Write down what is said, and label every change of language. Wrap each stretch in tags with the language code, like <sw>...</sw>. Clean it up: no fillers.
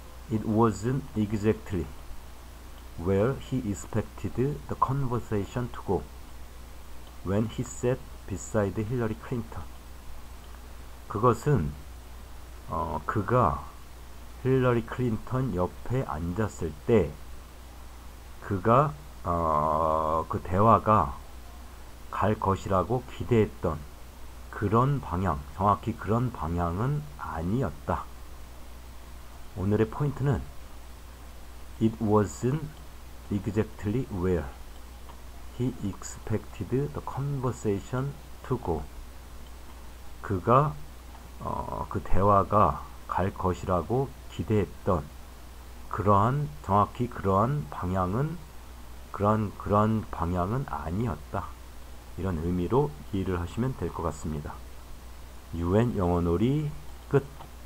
<en>It wasn't exactly where he expected the conversation to go when he sat beside Hillary Clinton.</en> <ko>그것은 그가 힐러리 클린턴 옆에 앉았을 때 그가 그 대화가 갈 것이라고 기대했던 그런 방향, 정확히 그런 방향은 아니었다. 오늘의 포인트는</ko> <en>It wasn't exactly where he expected the conversation to go.</en> <ko>그가 그 대화가 갈 것이라고 기대했던 그러한 정확히 그러한 방향은 아니었다. 이런 의미로 이해를 하시면 될것 같습니다. 유엔 영어놀이 끝.</ko>